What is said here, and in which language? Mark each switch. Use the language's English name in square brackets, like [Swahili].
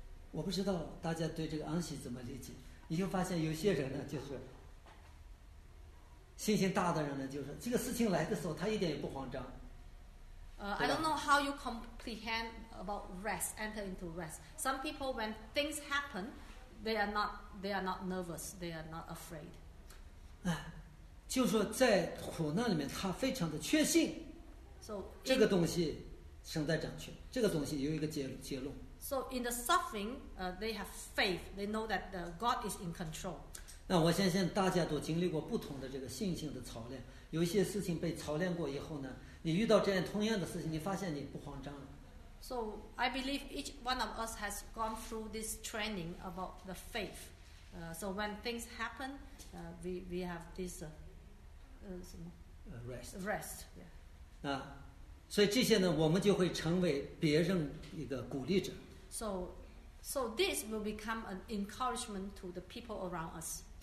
[Chinese] 我不知道大家对这个安息怎么理解。你就发现有些人呢，就是信心大的人呢，就是这个事情来的时候，他一点也不慌张。 [English] I don't know how you comprehend about rest, enter into rest. Some people, when things happen, they are not nervous, they are not afraid. [Chinese] 就是说在苦难里面，他非常的确信。 [English] So, [Chinese] 这个东西神在掌权，这个东西有一个结论。 [English] So in the suffering, they have faith. They know that God is in control. [Chinese] 那我相信大家都经历过不同的这个信心的操练。有一些事情被操练过以后呢，你遇到这样同样的事情，你发现你不慌张了。 [English] So I believe each one of us has gone through this training about the faith. So when things happen, we have this rest. Rest. Yeah. [Chinese] 所以这些呢，我们就会成为别人一个鼓励者。 [English] So this will become an encouragement to the people around us.